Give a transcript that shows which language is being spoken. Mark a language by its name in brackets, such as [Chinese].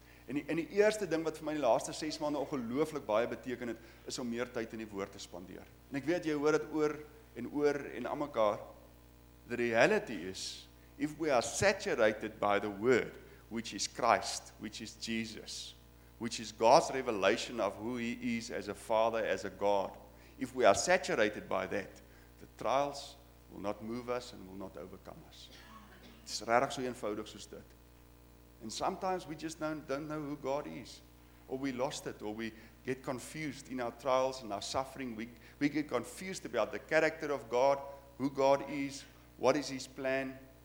[Afrikaans] En die eerste ding wat vir my die laaste 6 maande ongelooflik baie beteken het, is om meer tyd in die woord te spandeer. En ek weet jy hoor dit oor en oor en aan mekaar. [English] The reality is, if we are saturated by the word, which is Christ, which is Jesus, which is God's revelation of who he is as a father, as a God, if we are saturated by that, the trials will not move us and will not overcome us. [Afrikaans] Dit is regtig so eenvoudig soos dit. [English] And sometimes we just don't know who God is. Or we lost it. Or we get confused in our trials and our suffering. We get confused about the character of God, who God is, what is his plan.